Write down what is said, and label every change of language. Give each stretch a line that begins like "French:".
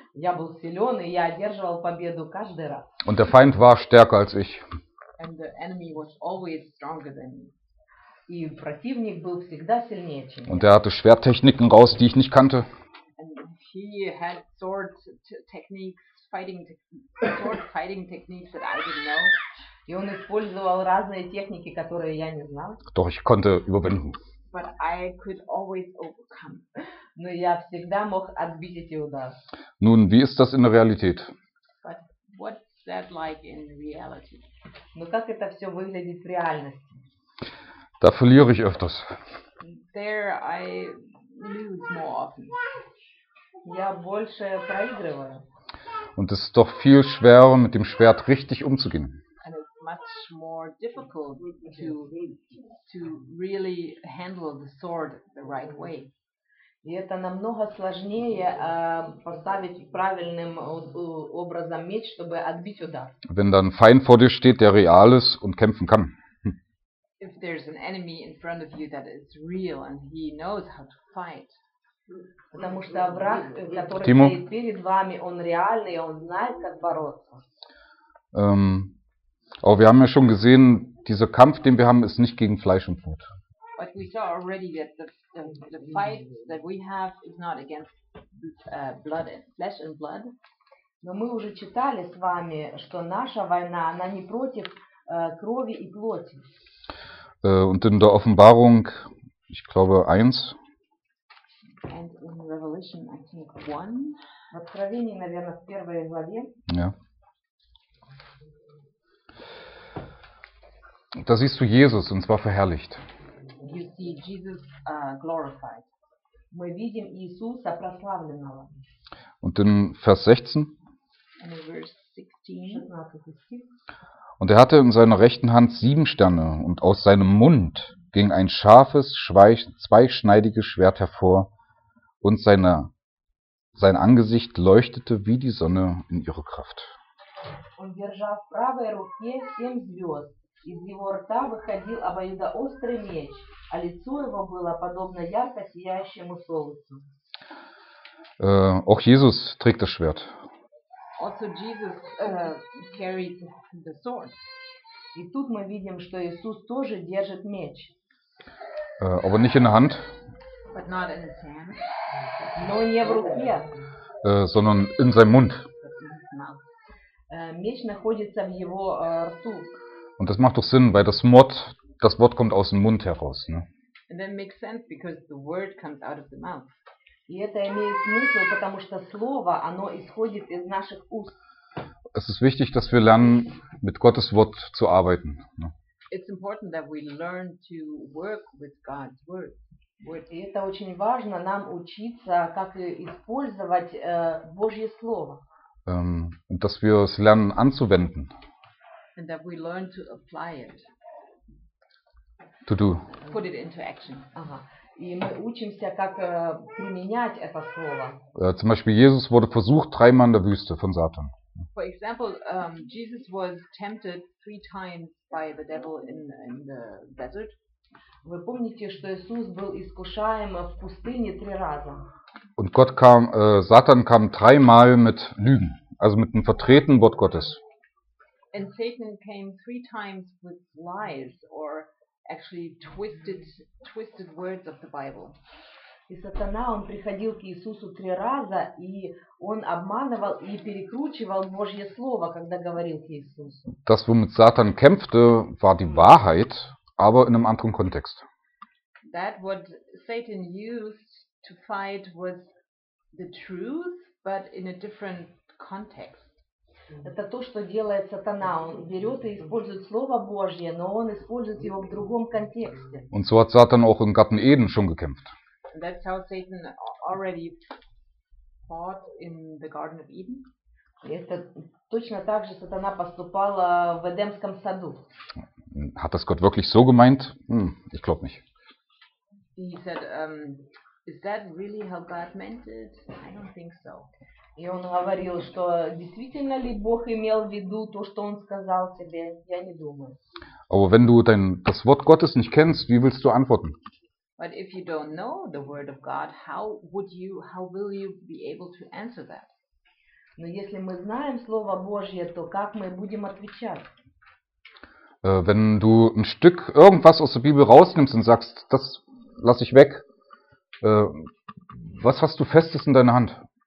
Russian: Я был силен и я одерживал победу каждый раз.
German: Und der Feind war stärker als ich.
English: And the enemy was always stronger than me.
Russian: И противник был всегда сильнее, чем я.
German: Und er hatte Schwerttechniken raus, die ich nicht kannte.
English: And he had sword fighting techniques that I didn't know.
Russian: И он использовал разные техники, которые я не знал.
German: Doch ich konnte überwinden.
English: But I could always overcome.
Russian: Но я всегда мог отбить эти удары.
German: Nun, wie ist das in der Realität?
English: But what's that like in reality?
Russian: Но как это все выглядит в реальности?
German: Da verliere ich öfters.
English: There I lose more often.
Russian: Я больше проигрываю.
German: Und es ist doch viel schwerer, mit dem Schwert richtig umzugehen.
English: Much more difficult to really handle the sword the right way.
Russian: И это намного сложнее поставить правильным образом меч, чтобы отбить удар.
German: Wenn dann Feind vor dir steht, der real ist und kämpfen kann.
English: If there's an enemy in front of you that is real and he knows how to fight.
Russian: Потому что враг, который Timo? Стоит перед вами, он реальный, он знает, как бороться.
German: Aber wir haben ja schon gesehen, dieser Kampf, den wir haben, ist nicht gegen Fleisch und Blut.
English: But we saw already that the fight that we have is not against blood and flesh and blood.
Russian: Но мы уже читали с вами, что наша война, она не против крови и плоти.
German: Und in der Offenbarung, ich glaube, 1.
English: And in Revelation, I think, 1.
Russian: В Откровении, наверное, в первой главе.
German: Ja. Da siehst du Jesus, und zwar verherrlicht.
English: You see Jesus glorified.
Russian: Мы видим Иисуса прославленного.
German: Und in Vers 16.
English: And in verse 16.
German: Und er hatte in seiner rechten Hand 7 Sterne, und aus seinem Mund ging ein scharfes, zweischneidiges Schwert hervor, und sein Angesicht leuchtete wie die Sonne in ihrer Kraft. Und
Russian: держав в правой руке 7 звезд. Из его рта выходил обоюдоострый меч, а лицо его было подобно ярко сияющему солнцу.
German: Auch Jesus trägt das Schwert.
English: Also Jesus carried the sword.
Russian: И тут мы видим, что Иисус тоже держит меч.
German: Aber nicht in der Hand.
English: But not in his hand.
Russian: Но не в руке.
German: Sondern in seinem Mund.
Russian: Меч находится в его рту.
German: Und das macht doch Sinn, weil das Wort kommt aus dem Mund heraus. Ne?
English: And that makes sense because the word comes out of the mouth.
Russian: И это имеет смысл, потому что слово, оно исходит из наших уст.
German: Es ist wichtig, dass wir lernen, mit Gottes Wort zu arbeiten. Ne?
English: It's important that we learn to work with God's word.
Russian: И это очень важно, нам учиться, как использовать Божье слово.
German: Und dass wir es lernen anzuwenden.
English: And that we learn to apply it. To do. Put it into action. Aha.
Russian: И мы учимся, как применять это слово.
German: Zum Beispiel Jesus wurde versucht dreimal in der Wüste von Satan.
English: For example, Jesus was tempted three times by the devil in the desert.
Russian: Вы помните, что Иисус был искушаем в пустыне три раза?
German: Und Gott kam, Satan kam dreimal mit Lügen, also mit dem vertretenen Wort Gottes.
English: And Satan came three times with lies or actually twisted words of the Bible.
Russian: И Сатана, он приходил к Иисусу три раза, и он обманывал и перекручивал Божье слово, когда говорил к Иисусу.
German: Das, womit Satan kämpfte, war die Wahrheit, aber in einem anderen Kontext.
English: That what Satan used to fight was the truth, but in a different context.
Russian: Это то, что делает Сатана. Он берет и использует Слово Божье, но он использует его в другом контексте.
German: Und so hat Satan auch im Garten Eden schon gekämpft.
English: And that's how Satan already fought in the Garden of Eden.
Russian: Это точно так же Сатана поступал в Эдемском саду.
German: Hat das Gott wirklich so gemeint? Ich glaube nicht.
English: He said, is that really how God meant it? I don't think so.
Russian: И он говорил, что действительно ли Бог имел в виду то, что он сказал тебе? Я не думаю.
German: Aber wenn du das Wort Gottes nicht kennst, wie willst du antworten?
English: But if you don't know the word of God, how will you be able to answer that?
Russian: Но если мы знаем Слово Божье, то как мы будем отвечать?
German: Wenn du ein Stück irgendwas aus der Bibel rausnimmst und sagst, das lasse ich weg, was hast du Festes in deiner Hand?